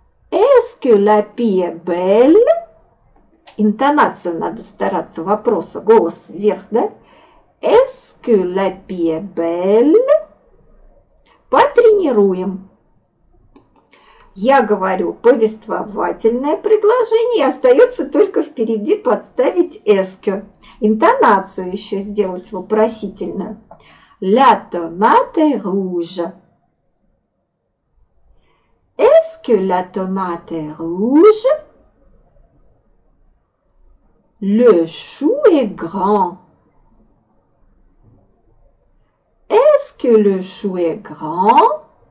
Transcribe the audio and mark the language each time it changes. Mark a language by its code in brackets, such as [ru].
[fr] Эскю la pie belle. [ru] Интонацию надо стараться вопроса. Голос вверх, да? [fr] Эскю la pie belle. [ru] Потренируем. Я говорю повествовательное предложение, и остается только впереди подставить эскю. Интонацию еще сделать вопросительную. [fr] La tomate rouge. Est-ce que la tomate rouge? Le chou est grand. Est-ce que le chou est grand?